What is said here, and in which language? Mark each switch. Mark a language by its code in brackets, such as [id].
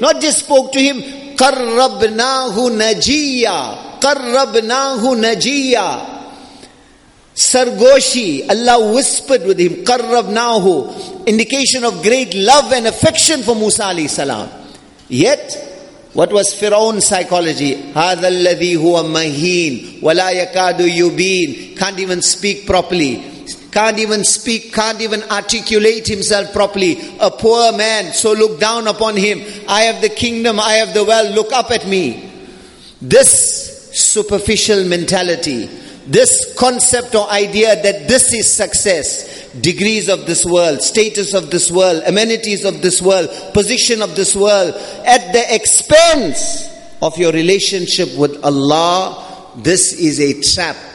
[en] Not just spoke to him, [ar] قَرَّبْنَاهُ نَجِيَّا قَرَّبْنَاهُ نَجِيَّا [en] Sargoshi, Allah whispered with him, قَرَّبْنَاهُ, indication of great love and affection for Musa alayhi salam. Yet, what was Firaun's psychology? [ar] هَذَا الَّذِي هُوَ مَهِينَ وَلَا يَكَادُ يُبِينَ [en] Can't even speak properly. Can't even speak, can't even articulate himself properly. A poor man, so look down upon him. I have the kingdom, I have the wealth, look up at me. This superficial mentality, this concept or idea that this is success, degrees of this world, status of this world, amenities of this world, position of this world, at the expense of your relationship with Allah, this is a trap.